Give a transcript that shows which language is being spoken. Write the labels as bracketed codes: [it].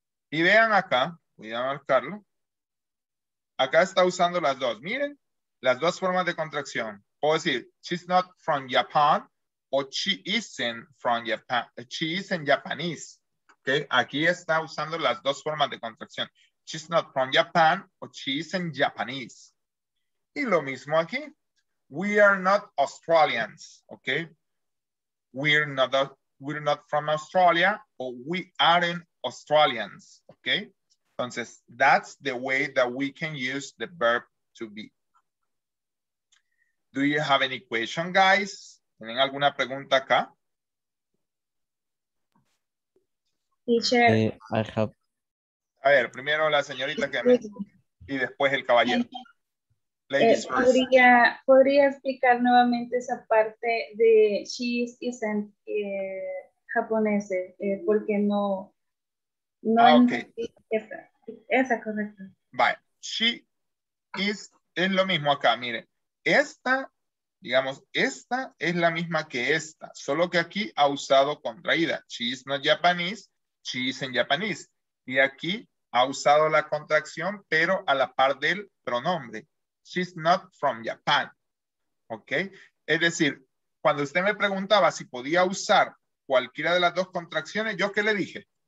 [es] Y vean acá, voy a marcarlo. Acá está usando las dos. Miren, las dos formas de contracción. Puedo decir, [en] she's not from Japan [es] o [en] she isn't from Japan. She isn't Japanese. ¿Okay? [es] Aquí está usando las dos formas de contracción. [en] She's not from Japan o she isn't Japanese. [es] Y lo mismo aquí. [en] We are not Australians. ¿Okay? We're not from Australia o we aren't Australians. Okay. Entonces, that's the way that we can use the verb to be. Do you have any question, guys? [es] ¿Tienen alguna pregunta acá? [en] Teacher. I have. [es] A ver, primero la señorita que me. Y después el caballero. [en] Ladies first. [es] ¿Podría explicar nuevamente esa parte de [en] she isn't [es] japonesa? Porque no. No, [en] ah, okay. [es] Esa correcta. Vale. She es lo mismo acá. Mire, esta es la misma que esta, solo que aquí ha usado contraída. [en] She is not Japanese, she is in Japanese. [es] Y aquí ha usado la contracción, pero a la par del pronombre. [en] She's not from Japan. [es] ¿Ok? Es decir, cuando usted me preguntaba si podía usar cualquiera de las dos contracciones, ¿yo qué le dije?